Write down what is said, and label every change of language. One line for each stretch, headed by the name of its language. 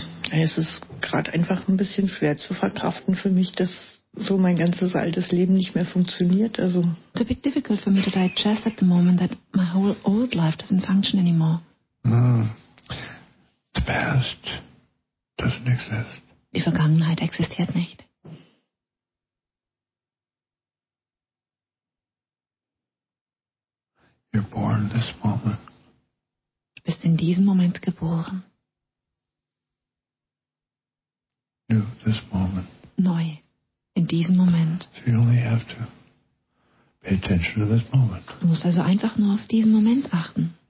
German: Es ist gerade einfach ein bisschen schwer zu verkraften für mich, dass so mein ganzes altes Leben nicht mehr funktioniert. Also,
English: it's a bit difficult for me to digest at the moment that my whole old life doesn't function anymore. The past doesn't exist.
German: Die Vergangenheit existiert nicht.
English: You're born this moment.
German: Du bist in diesem Moment geboren.
English: New this moment.
German: Neu. In diesem Moment.
English: So you only have to pay attention to this moment.
German: Du musst also einfach nur auf diesen Moment achten.